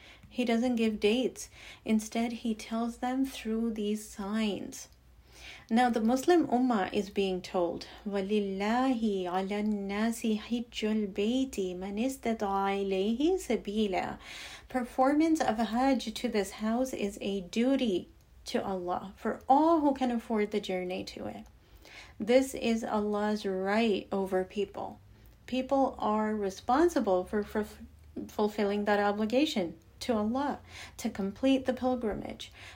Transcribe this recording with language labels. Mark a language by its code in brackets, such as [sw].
[en] He doesn't give dates. Instead, He tells them through these signs. Now, the Muslim Ummah is being told, [ar] وَلِلَّهِ عَلَى النَّاسِ حِجُّ الْبَيْتِ مَنِ اسْتَطَعَ إِلَيْهِ سَبِيلًا. [en] Performance of Hajj to this house is a duty to Allah for all who can afford the journey to it. This is Allah's right over people. People are responsible for fulfilling that obligation to Allah to complete the pilgrimage.